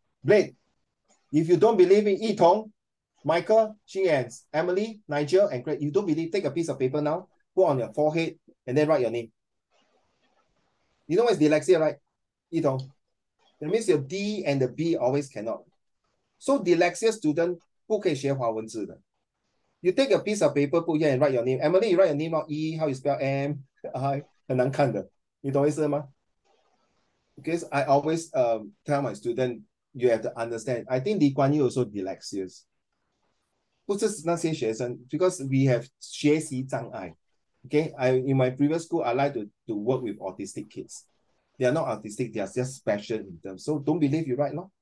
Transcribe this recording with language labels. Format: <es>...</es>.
<en>Blade, if you don't believe in Yitong, Michael, Xinyans, Emily, Nigel, and Greg, you don't believe, take a piece of paper now, put on your forehead, and then write your name. You know what's dyslexia, right? Yitong. That means your D and the B always cannot. So dyslexia student,</en> <zh>不可以学华文字的.</zh> <en>You take a piece of paper, put here and write your name. Emily, you write your name out, E, how you spell M, I,</en> <zh>很难看的.你懂意思吗?</zh> <en>Because I always tell my student, you have to understand. I think Lee Kuan Yew also dyslexia.</en> <zh>不是那些学生,</zh> <en>because we have</en> <zh>学习障碍.</zh> <en>Okay, in my previous school, I like to work with autistic kids. They are not autistic, they are just special in them. So don't believe you write, no?</en>